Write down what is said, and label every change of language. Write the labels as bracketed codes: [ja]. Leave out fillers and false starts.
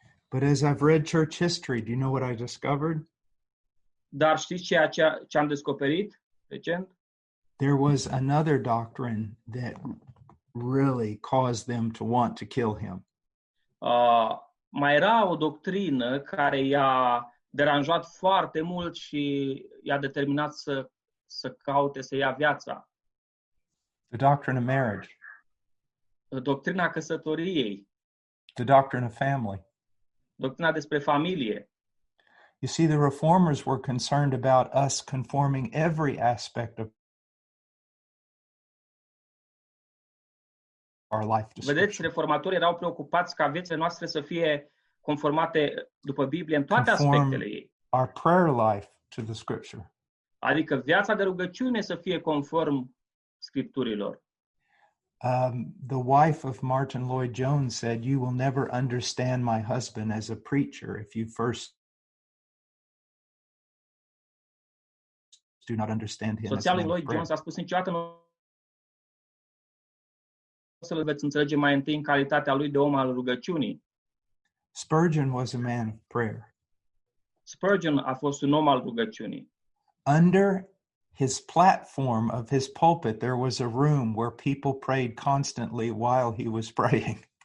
[en] But as I've read church history, do you know what I discovered? [ro] Dar știți ceea ce am descoperit recent? [en] There was another doctrine that really caused them to want to kill him. [ro] Mai era o doctrină care i-a deranjat foarte mult și i-a determinat să caute să ia viața. [en] The doctrine of marriage. [ro] Doctrina căsătoriei. [en] The doctrine of family. [ro] Doctrina despre familie. [en] You see, the reformers were concerned about us conforming every aspect of our life. [ro] Vedeți, reformatorii erau preocupați ca viețile noastre să fie conformate după Biblie în toate aspectele ei. [en] Our prayer life to the scripture. [ro] Adică viața de rugăciune să fie conform scripturilor. [en] The wife of Martin Lloyd-Jones said, "You will never understand my husband as a preacher if you first do not understand him." [ro] Soția lui Lloyd-Jones a spus niciodată nu o să-l veți înțelege mai întâi în calitatea lui de om al rugăciunii. [en] Spurgeon was a man of prayer. [ro] Spurgeon a fost un om al rugăciunii. [en] Under his platform of his pulpit, there was a room where people prayed constantly while he was preaching.